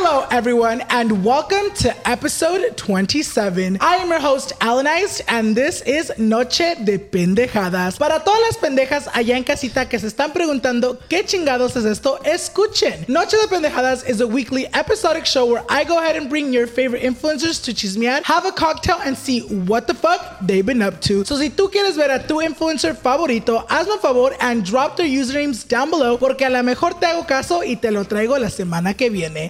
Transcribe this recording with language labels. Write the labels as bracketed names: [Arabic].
[English] Everyone, and welcome to episode 27. I am your host, Alanized, and this is Noche de Pendejadas. [Spanish] Para todas las pendejas allá en casita que se están preguntando qué chingados es esto, escuchen. [English] Noche de Pendejadas is a weekly episodic show where I go ahead and bring your favorite influencers to chismear, have a cocktail, and see what the fuck they've been up to. [Spanish] So si tú quieres ver a tu influencer favorito, hazme un favor [English] and drop their usernames down below [Spanish] porque a lo mejor te hago caso y te lo traigo la semana que viene.